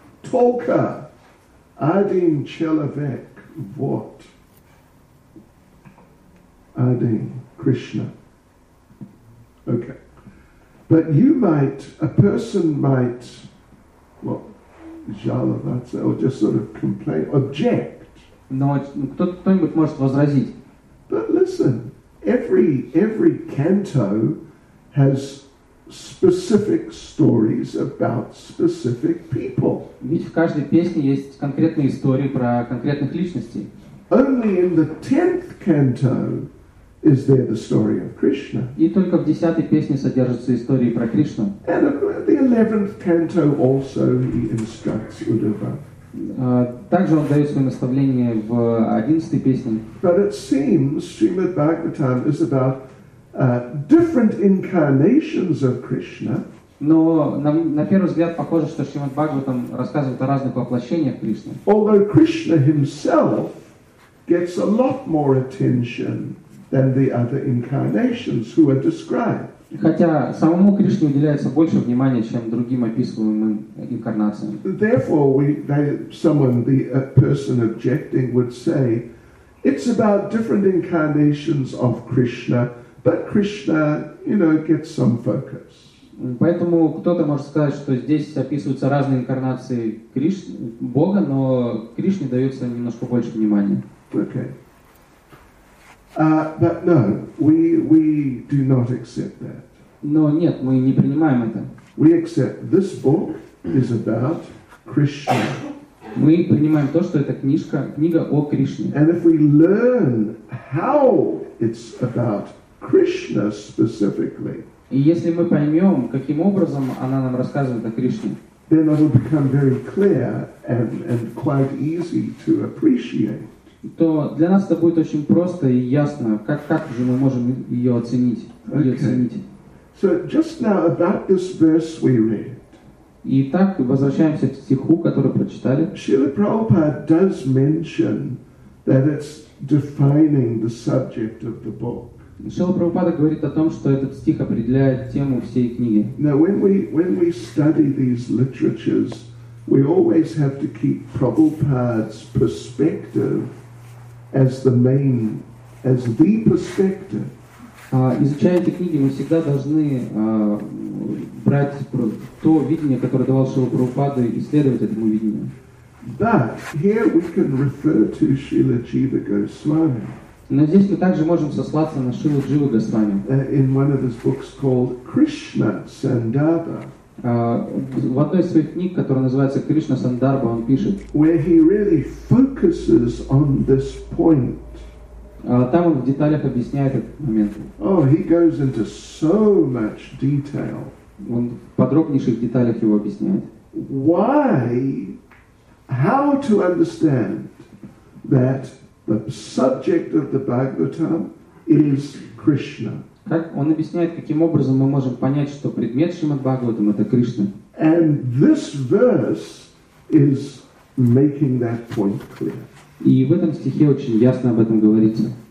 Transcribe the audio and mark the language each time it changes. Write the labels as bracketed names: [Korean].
[Russian] Толка один человек вот один Кришна. [English] Okay. But a person might, [Russian] жаловаться, [English] or just sort of complain, object. [Russian] Но кто-нибудь может возразить. [English] But listen, every canto has specific stories about specific people. [Russian] Ведь в каждой песне есть конкретные истории про конкретных личностей. [English] Only in the 10th canto is there the story of Krishna. [Russian] И только в 10-й песне содержатся истории про Кришну. [English] And the 11th canto also he instructs Uddhava. [Russian] Также он дает свое наставление в 11-й песне. [English] But it seems Srimad Bhagavatam is about different incarnations of Krishna. [Russian] Но на первый взгляд похоже, что Srimad Bhagavatam рассказывает о разных воплощениях Кришны. [English] Although Krishna himself gets a lot more attention than the other incarnations who are described. [Russian] Хотя самому Кришне уделяется больше внимания, чем другим описываемым инкарнациям. [English] Therefore, the person objecting would say, it's about different incarnations of Krishna, but Krishna, you know, gets some focus. [Russian] Поэтому кто-то может сказать, что здесь описываются разные инкарнации Кришны, Бога, но Кришне дается немножко больше внимания. [English] Okay. But no, we do not accept that. [Russian] Но нет, мы не принимаем это. [English] We accept this book is about Krishna. [Russian] Мы принимаем то, что эта книжка, книга о Кришне. [English] And if we learn how it's about Krishna specifically. [Russian] И если мы поймем, каким образом она нам рассказывает о Кришне. [English] Then it will become very clear and quite easy to appreciate. [Russian] То для нас это будет очень просто и ясно, как же мы можем ее оценить, ее оценить. [English] So just now about this verse we read. [Russian] Итак, возвращаемся к стиху, который прочитали. [English] Шрила Прабхупада does mention that it's defining the subject of the book. [Russian] Шрила Прабхупада говорит о том, что этот стих определяет тему всей книги. [English] Now when we study these literatures, we always have to keep Prabhupada's perspective as the perspective. [Russian] Изучая эти книги, мы всегда должны брать то видение, которое давал Шрила Прабхупада, исследовать этому видению. [English] But here we can refer to Srila Jiva Goswami. [Russian] Но здесь мы также можем сослаться на Шрилу Джива Госвами. [English] In one of his books called Krishna Sandarbha. [Russian] В одной из своих книг, которая называется «Кришна Сандарбха», он пишет, [English] where he really focuses on this point. [Russian] Там он в деталях объясняет этот момент. [English] Oh, he goes into so much detail. [Russian] Он в подробнейших деталях его объясняет. [English] Why? How to understand that the subject of the Bhagavatam is Krishna? [Russian] Так он объясняет, каким образом мы можем понять, что предмет Шримад-Бхагаватам — это Кришна. [English] And this verse is making that point clear. [Russian] И в этом стихе очень ясно об этом говорится.